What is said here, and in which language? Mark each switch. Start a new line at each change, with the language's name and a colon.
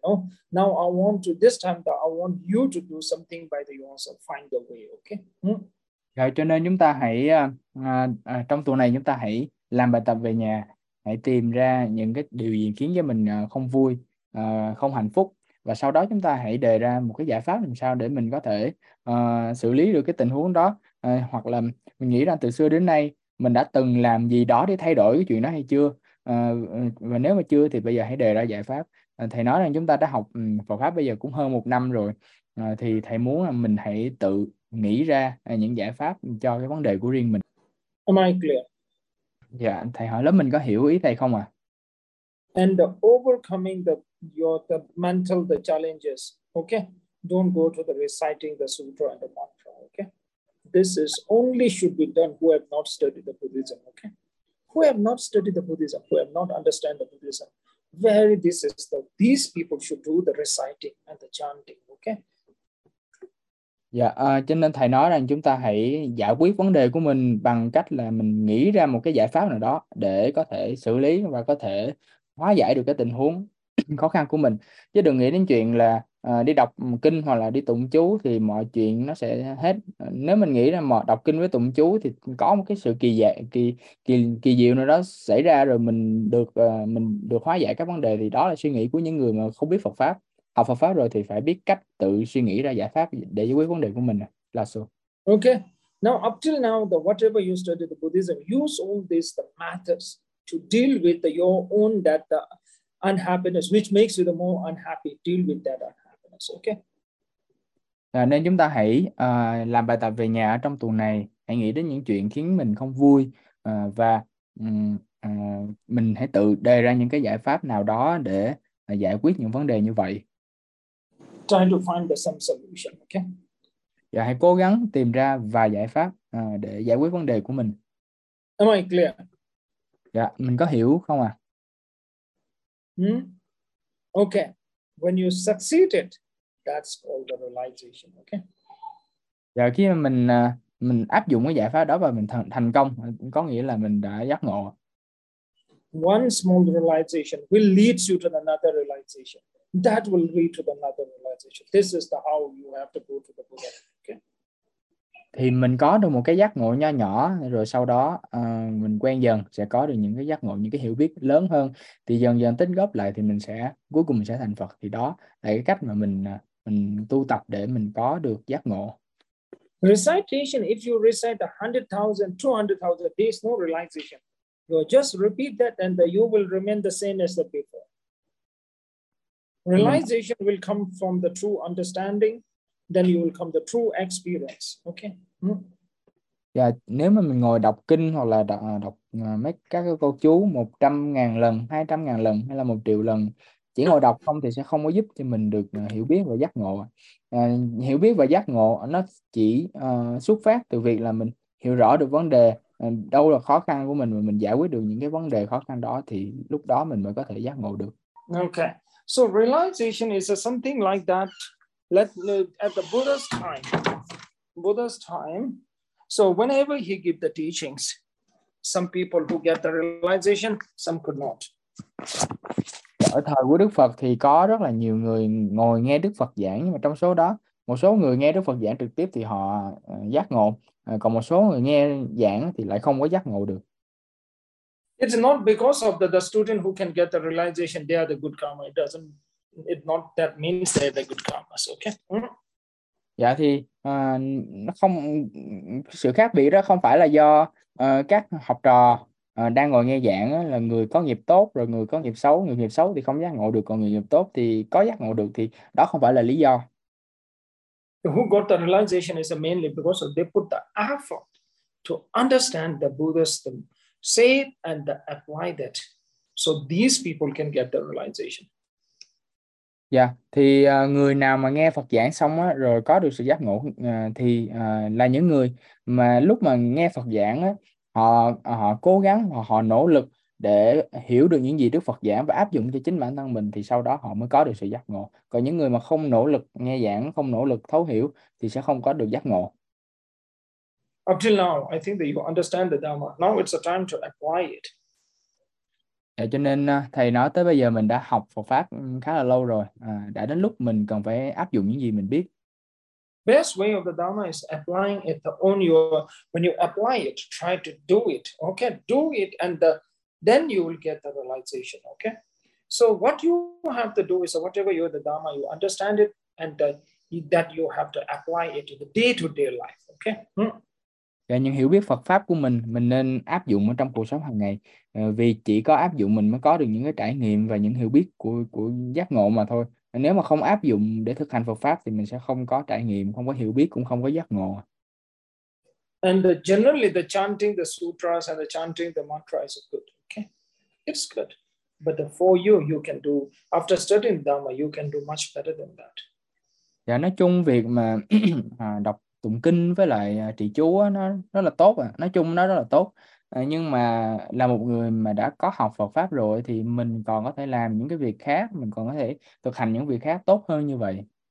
English: No, now I want to this time that I want you to do something by the yourself, find the way. Okay.
Vietnamese: Rồi, cho nên chúng ta hãy trong tuần này chúng ta hãy làm bài tập về nhà, hãy tìm ra những cái điều gì khiến cho mình không vui, không hạnh phúc, và sau đó chúng ta hãy đề ra một cái giải pháp làm sao để mình có thể xử lý được cái tình huống đó. Hoặc là mình nghĩ rằng từ xưa đến nay mình đã từng làm gì đó để thay đổi cái chuyện đó hay chưa, và nếu mà chưa thì bây giờ hãy đề ra giải pháp. Thầy nói rằng chúng ta đã học Phật pháp bây giờ cũng hơn 1 năm rồi, thì thầy muốn là mình hãy tự nghĩ ra những giải pháp cho cái vấn đề của riêng mình.
English: Am I clear?
Vietnamese: Dạ, thầy hỏi lớp mình có hiểu ý thầy không ạ?
English: And overcoming the mental the challenges, okay? Don't go to the reciting the sutra and the mantra, okay? This is only should be done who have not studied the Buddhism, okay? Who have not studied the Buddhism, who have not understand the Buddhism, very this is the these people should do the reciting and the chanting, okay?
Vietnamese: Dạ, cho nên thầy nói rằng chúng ta hãy giải quyết vấn đề của mình bằng cách là mình nghĩ ra một cái giải pháp nào đó để có thể xử lý và có thể hóa giải được cái tình huống khó khăn của mình. Chứ đừng nghĩ đến chuyện là đi đọc kinh hoặc là đi tụng chú thì mọi chuyện nó sẽ hết. Nếu mình nghĩ ra mà đọc kinh với tụng chú thì có một cái sự kỳ diệu nào đó xảy ra rồi mình được hóa giải các vấn đề, thì đó là suy nghĩ của những người mà không biết Phật pháp. Học Phật pháp rồi thì phải biết cách tự suy nghĩ ra giải pháp để giải quyết vấn đề của mình là sao?
English: Okay, now up till now, the whatever you study the Buddhism, use all these the matters to deal with the, your own that the unhappiness, which makes you the more unhappy. Deal with that unhappiness, okay?
Vietnamese: À, nên chúng ta hãy làm bài tập về nhà ở trong tuần này, hãy nghĩ đến những chuyện khiến mình không vui, và mình hãy tự đề ra những cái giải pháp nào đó để giải quyết những vấn đề như vậy.
English: Trying to find the some solution, okay?
Vietnamese: Và hãy cố gắng tìm ra vài giải pháp để giải quyết vấn đề của mình.
English: Am I clear?
Vietnamese: Dạ, mình có hiểu không ạ?
English: Okay. When you succeeded, that's called the realization, okay?
Vietnamese: Dạ, khi mà mình áp dụng cái giải pháp đó và mình thành công, có nghĩa là mình đã giác ngộ.
English: One small realization will lead you to another realization. That will lead to another realization. This is the how you have to go to the Buddha.
Vietnamese: Thì mình có được một cái giác ngộ nho nhỏ, rồi sau đó mình quen dần sẽ có được những cái giác ngộ, những cái hiểu biết lớn hơn, thì dần dần tích góp lại thì cuối cùng mình sẽ thành Phật. Thì đó là cái cách mà mình tu tập để mình có được giác ngộ.
English: Recitation, if you recite 100,000, 200,000, there is no realization. You just repeat that and you will remain the same as the before. Realization will come from the true understanding, then you will come the true experience. Okay.
Vietnamese: Dạ, nếu mà mình ngồi đọc kinh hoặc là đọc mấy các cái câu chú 100.000 lần, 200.000 lần hay là 1 triệu lần, chỉ ngồi đọc không thì sẽ không có giúp cho mình được hiểu biết và giác ngộ. Hiểu biết và giác ngộ nó chỉ xuất phát từ việc là mình hiểu rõ được vấn đề, đâu là khó khăn của mình, và mình giải quyết được những cái vấn đề khó khăn đó thì lúc đó mình mới có thể giác ngộ được.
English: Okay, so realization is something like that. At the Buddha's time, so whenever he give the teachings, some people who get the realization, some could not.
Vietnamese: Ở thời của Đức Phật thì có rất là nhiều người ngồi nghe Đức Phật giảng, nhưng mà trong số đó, một số người nghe Đức Phật giảng trực tiếp thì họ giác ngộ, còn một số người nghe giảng thì lại không có giác ngộ được.
English: It's not because of the student who can get the realization, they are the good karma. It's not that means they are the good karmas, okay?
Vietnamese: Dạ thì nó không, sự khác biệt đó không phải là do các học trò đang ngồi nghe giảng là người có nghiệp tốt rồi người có nghiệp xấu. Người nghiệp xấu thì không giác ngộ được, còn người nghiệp tốt thì có giác ngộ được, thì đó không phải là lý do.
English: Who got the realization is mainly because they put the effort to understand the Buddhist say and apply that. So these people can get the realization.
Vietnamese: Dạ, thì người nào mà nghe Phật giảng xong á, rồi có được sự giác ngộ thì là những người mà lúc mà nghe Phật giảng á, họ cố gắng, họ nỗ lực để hiểu được những gì Đức Phật giảng và áp dụng cho chính bản thân mình, thì sau đó họ mới có được sự giác ngộ. Còn những người mà không nỗ lực nghe giảng, không nỗ lực thấu hiểu thì sẽ không có được giác ngộ.
English: Up till now, I think that you understand the Dhamma. Now it's the time to apply it.
Vietnamese: Dạ, cho nên thầy nói tới bây giờ mình đã học Phật Pháp khá là lâu rồi. Đã đến lúc mình cần phải áp dụng những gì mình biết.
English: Best way of the Dhamma is applying it on your, when you apply it, try to do it, okay? Do it and then you will get the realization, okay? So what you have to do is whatever you are the Dhamma, you understand it and that you have to apply it in the day-to-day life, okay?
Vietnamese: Và những hiểu biết Phật Pháp của mình nên áp dụng ở trong cuộc sống hàng ngày. Vì chỉ có áp dụng mình mới có được những cái trải nghiệm và những hiểu biết của giác ngộ mà thôi. Nếu mà không áp dụng để thực hành Phật Pháp thì mình sẽ không có trải nghiệm, không có hiểu biết, cũng không có giác ngộ.
English: And generally the chanting the sutras and the chanting the mantra is good. Okay? It's good. But for you, you can do, after studying Dhamma, you can do much better than that.
Vietnamese: Dạ, nói chung việc mà đọc tụng kinh với lại trì chú á, nó rất là tốt à. Nói chung nó rất là tốt. Nhưng mà là một người mà đã có học Phật Pháp rồi thì mình còn có thể làm những cái việc khác, mình còn có thể thực hành những việc khác tốt hơn như vậy.